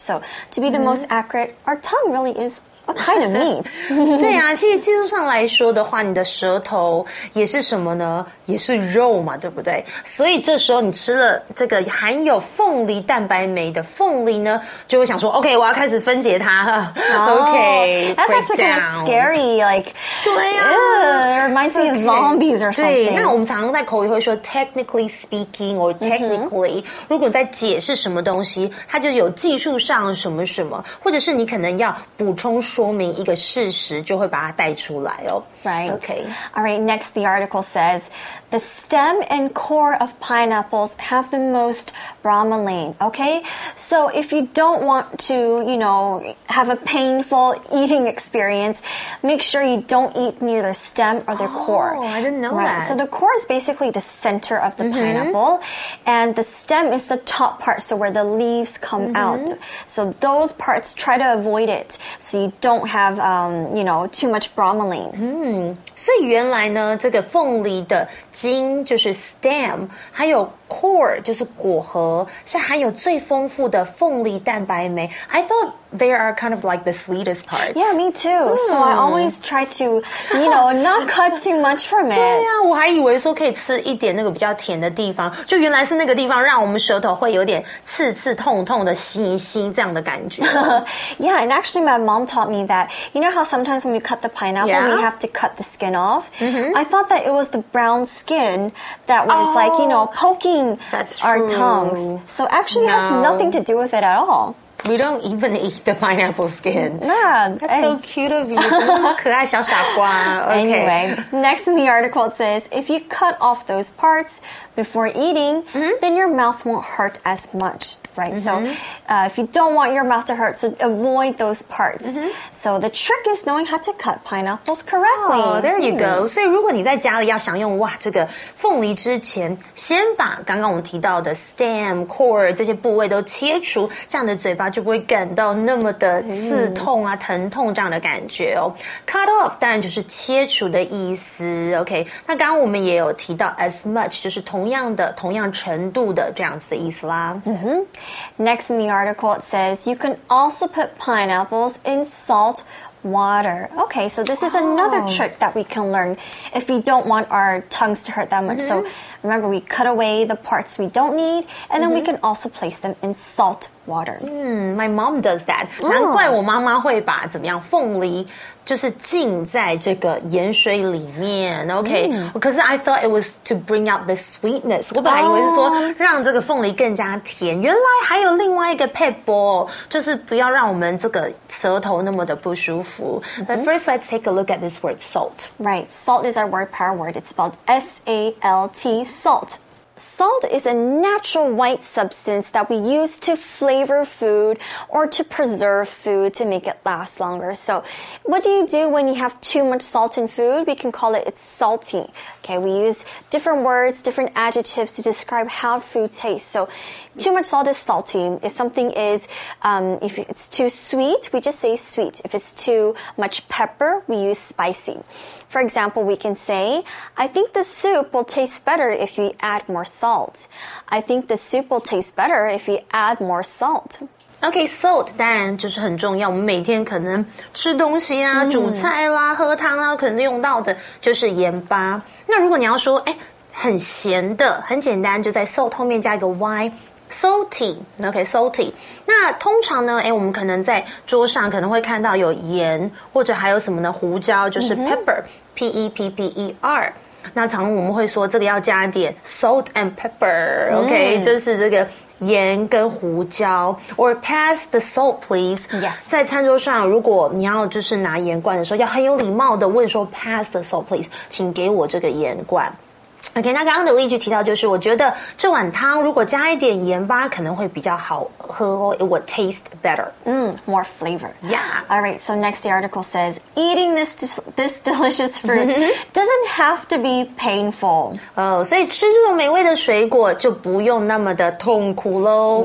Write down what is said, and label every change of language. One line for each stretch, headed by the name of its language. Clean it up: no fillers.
English: So to be the most accurate, our tongue really is kind of meat.
Chinese: 对啊，其实技术上来说的话，你的舌头也是什么呢？也是肉嘛，对不对？所以这时候你吃了这个含有凤梨蛋白酶的凤梨呢，就会想说 ，OK， 我要开始分解它。
English: That's actually kind of scary. Like,
Chinese: 对啊
English: reminds me of zombies or something.
Chinese: 对，那我们常常在口语会说
English: technically speaking or technically。
Chinese: 如果在解释什么东西，它就有技术上什么什么，或者是你可能要补充。说明一个事实就会把它带出来哦。
English: Right. Okay. All right, next the article says, the stem and core of pineapples have the most bromelain, okay? So if you don't want to, you know, have a painful eating experience, make sure you don't eat near the stem or the core. Oh, I didn't know that. So the core is basically the center of the pineapple, and the stem is the top part, so where the leaves come out. So those parts, try to avoid it, so you don't have, you know, too much bromelain.
Chinese: 所以原来呢，这个凤梨的茎就是 stem， 还有 core 就是果核，是含有最丰富的凤梨蛋白酶。
English: I thought they are kind of like the sweetest parts. Yeah, me too. So I always try to, you know, not cut too much from it.
Chinese: 对呀、啊，我还以为说可以吃一点那个比较甜的地方，就原来是那个地方让我们舌头会有点刺刺痛痛的吸一吸这样的感觉。
English: Yeah, and actually, my mom taught me that. You know how sometimes when we cut the pineapple, we have to cut the skin off. I thought that it was the brown skin that was like, you know, poking our tongues. So actually, it has nothing to do with it at all. We don't even eat the pineapple skin. Nah, that's so cute of you.
Chinese: 可爱小傻瓜
English: Anyway, next in the article it says, if you cut off those parts before eating, then your mouth won't hurt as much. Right, so if you don't want your mouth to hurt, so avoid those parts. So the trick is knowing how to cut pineapples correctly. Oh, there you go.
Chinese: 所以如果你在家里要享用哇这个凤梨之前，先把刚刚我们提到的 stem, core 这些部位都切除，这样的嘴巴就不会感到那么的刺痛啊、疼痛这样的感觉哦。 Cut off 当然就是切除的意思。OK， 那刚刚我们也有提到 as much 就是同样的、同样程度的这样子的意思啦。
English: Next in the article, it says you can also put pineapples in salt water. Okay, so this is another trick that we can learn if we don't want our tongues to hurt that much. So remember, we cut away the parts we don't need, and then we can also place them in salt water. My mom does that.
Chinese: 难怪我妈妈会把怎么样凤梨就是浸在这个盐水里面
English: Okay, because I thought it was to bring out the sweetness.
Chinese: 我本来以为是说让这个凤梨更加甜。原来还有另外一个 pebble， 就是不要让我们这个舌头那么的不舒服。
English: But first, let's take a look at this word salt. Right, salt is our word, power word. It's spelled S-A-L-T, salt. Salt is a natural white substance that we use to flavor food or to preserve food to make it last longer. So what do you do when you have too much salt in food? We can call it, it's salty. Okay, we use different words, different adjectives to describe how food tastes. So too much salt is salty. If something is, if it's too sweet, we just say sweet. If it's too much pepper, we use spicy. For example, we can say, I think the soup will taste better if you add more salt. I think the soup will taste better if you add more salt.
Chinese: Okay, salt 当然就是很重要，我们每天可能吃东西啊、煮菜啦、喝汤啊，可能用到的就是盐巴。那如果你要说，哎，很咸的，很简单，就在 salt 后面加一个 y。
English: Salty, okay, salty.
Chinese: 那通常呢，欸，我们可能在桌上可能会看到有盐，或者还有什么呢？胡椒，就是 pepper,、P-E-P-P-E-R. 那常我们会说这个要加点 salt and pepper, okay,、就是这个盐跟胡椒。
English: Or pass the salt, please. Yes.
Chinese: 在餐桌上，如果你要就是拿盐罐的时候，要很有礼貌的问说
English: pass the salt, please,
Chinese: 请给我这个盐罐。 OK, 那刚刚的例句提到就是我觉得这碗汤如果加一点盐巴可能会比较好喝哦。
English: It would taste better. More flavor. Yeah. Alright, so next the article says, eating this delicious fruit doesn't have to be painful.
Chinese: 所以吃这个美味的水果就不用那么的痛苦咯。